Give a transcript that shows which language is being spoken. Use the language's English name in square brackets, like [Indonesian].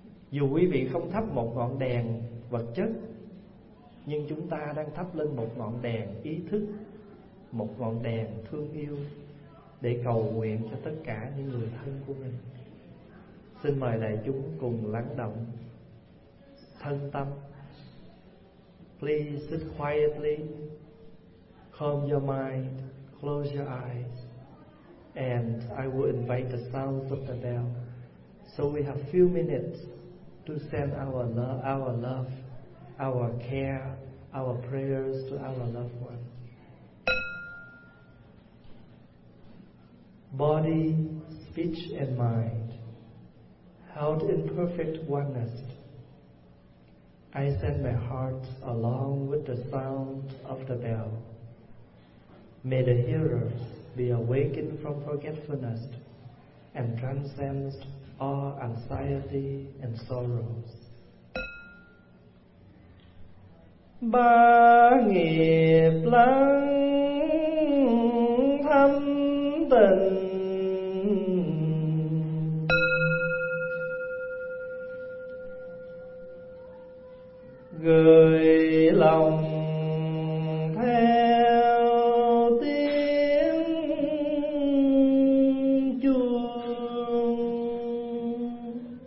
[Vietnamese] Dù quý vị không thắp một ngọn đèn vật chất, nhưng chúng ta đang thắp lên một ngọn đèn ý thức, một ngọn đèn thương yêu, để cầu nguyện cho tất cả những người thân của mình. Xin mời đại chúng cùng lắng động thân tâm. [English] Please sit quietly, calm your mind, close your eyes, and I will invite the sounds of the bell. So we have few minutes to send our love, our care, our prayers to our loved one. Body, speech, and mind, held in perfect oneness, I send my heart along with the sound of the bell. May the hearers be awakened from forgetfulness and transcend all anxiety and sorrows. [Vietnamese] Ba nghiệp lắng thâm tình, gửi lòng theo tiếng chuông,